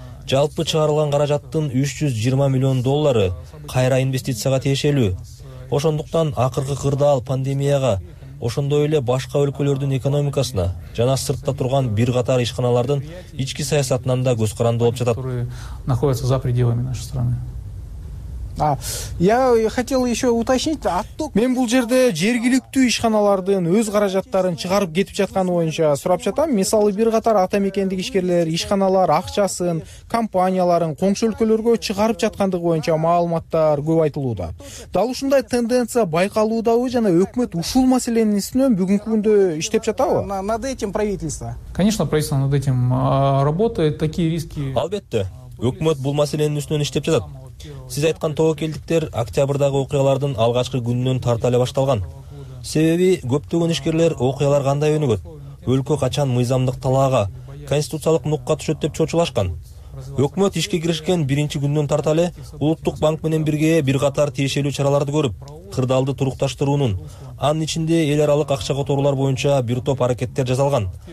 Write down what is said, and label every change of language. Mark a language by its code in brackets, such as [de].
[ky] Жалпы чыгарылган каражаттын 320 миллион доллары кайра инвестицияга тиешелүү. Ошондуктан акыркы кырдаал пандемияга, ошондой эле башка өлкөлөрдүн экономикасына жана сыртта турган бир катар ишканалардын ички саясатынан да көз каранды болуп жатат. [ru] Находятся за пределами нашей страны. Я хотел еще уточнить, отток. [ky] Мен бул жерде жергиликтүү ишканалардын өз каражаттарын чыгарып кетип жатканы боюнча сурап жатам. Мисалы, бир катар атамекендик ишкерлер, ишканалар акчасын, компанияларын коңшу өлкөлөргө чыгарып жаткандыгы боюнча маалыматтар көп айтылууда. Дал ушундай тенденция байкалуудабы жана өкмөт ушул маселенин үстүнөн бүгүнкү күндө иштеп жатабы? [ru] Над этим правительство. Конечно, правительство над этим работает, такие риски. [ky] Албетте, өкмөт бул маселенин үстүнөн иштеп жатат. Сиз айткан тобокелдиктер октябрдагы окуялардын алгачкы күнүнөн тарта эле башталган. Себеби көптөгөн ишкерлер окуялар кандай өнүгөт, өлкө качан мыйзамдык талаага, конституциялык нукка түшөт деп чочулашкан. Өкмөт ишке киришкен биринчи күнүнөн тарта эле улуттук банк менен бирге бир катар тиешелүү чараларды көрүп, кырдаалды турукташтыруунун, анын ичинде эл аралык акча которуулар боюнча бир топ аракеттер жасалган.